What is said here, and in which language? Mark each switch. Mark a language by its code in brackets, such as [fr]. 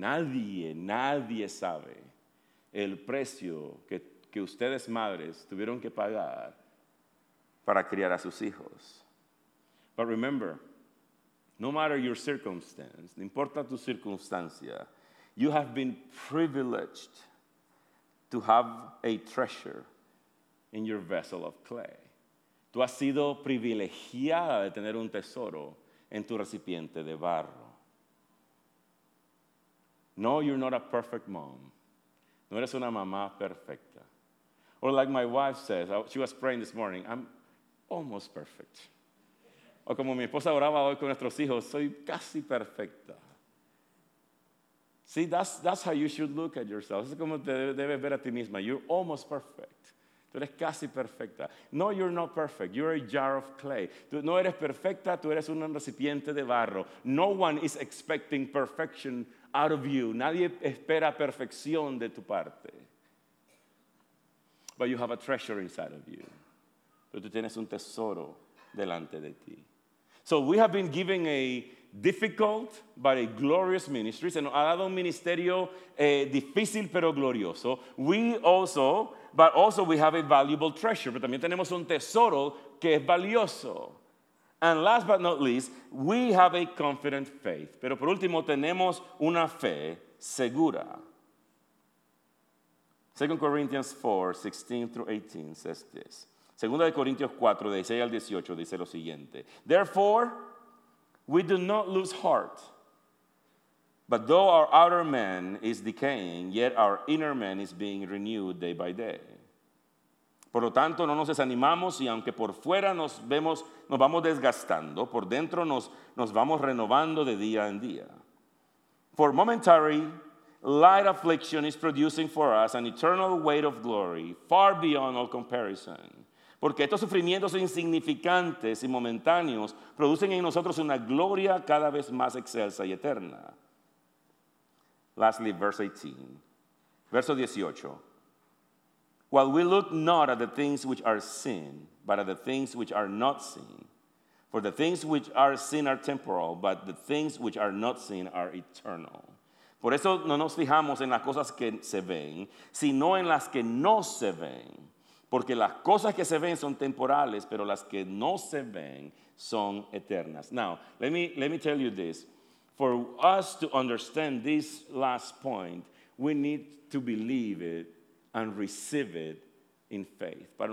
[es] Nadie sabe el precio que ustedes madres tuvieron que pagar para criar a sus hijos. [en] But remember, no matter your circumstance, [es] no importa tu circunstancia, [en] you have been privileged to have a treasure in your vessel of clay. [es] Tú has sido privilegiada de tener un tesoro en tu recipiente de barro. [en] No, you're not a perfect mom. [es] No eres una mamá perfecta. [en] Or like my wife says, she was praying this morning, I'm almost perfect. [es] O como mi esposa oraba hoy con nuestros hijos, soy casi perfecta. [en] See, that's how you should look at yourself. [es] Es como te debes ver a ti misma. [en] You're almost perfect. [es] Tú eres casi perfecta. [en] No, you're not perfect. You're a jar of clay. [es] Tú no eres perfecta, tú eres un recipiente de barro. [en] No one is expecting perfection out of you. [es] Nadie espera perfección de tu parte. [en] But you have a treasure inside of you. [es] Pero tú tienes un tesoro delante de ti. [en] So we have been given a difficult but a glorious ministry. [es] Se nos ha dado un ministerio difícil pero glorioso. [en] But also we have a valuable treasure. [es] Pero también tenemos un tesoro que es valioso. [en] And last but not least, we have a confident faith. [es] Pero por último, tenemos una fe segura. [en] 2 Corinthians 4, 16 through 18 says this. 2 Corinthians 4, 16 [es] al 18 dice lo siguiente. [en] Therefore, we do not lose heart. But though our outer man is decaying, yet our inner man is being renewed day by day. [es] Por lo tanto, no nos desanimamos, y aunque por fuera nos vamos desgastando, por dentro nos vamos renovando de día en día. [en] For momentary light affliction is producing for us an eternal weight of glory far beyond all comparison. [es] Porque estos sufrimientos insignificantes y momentáneos producen en nosotros una gloria cada vez más excelsa y eterna. [en] Lastly, verse 18. [es] Verso 18. [en] While we look not at the things which are seen, but at the things which are not seen. For the things which are seen are temporal, but the things which are not seen are eternal. [es] Por eso no nos fijamos en las cosas que se ven, sino en las que no se ven. Porque las cosas que se ven son temporales, pero las que no se ven son eternas. [en] Now, let me tell you this. For us to understand this last point, we need to believe it and receive it in faith.